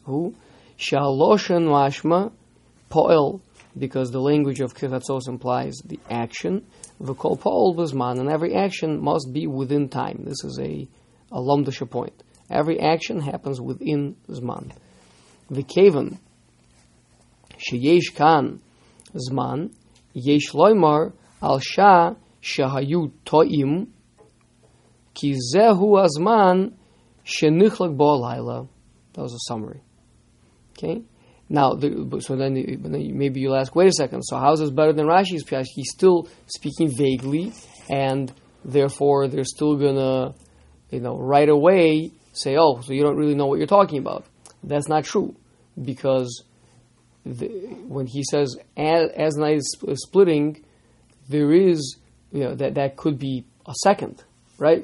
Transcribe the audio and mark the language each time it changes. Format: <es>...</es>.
<he>Who she loshen mashma poel,</he> <en>because the language of Kichatzos implies the action.</en> <he>V'kol poel v'zman,</he> <en>and every action must be within time. This is a lomdusha point. Every action happens within zman.</en> <he>V'kevan, שיש כאן זמן, יש לומר על שעה שהיו טועים, כי זהו הזמן שנחלק בו הלילה.</he> <en>That was a summary. Okay? Now, maybe you'll ask, wait a second, so how is this better than Rashi's Pshat? He's still speaking vaguely, and therefore they're still going to, you know, right away say, oh, so you don't really know what you're talking about. That's not true, because when he says, as night is splitting, there is, you know, that could be a second, right?</en>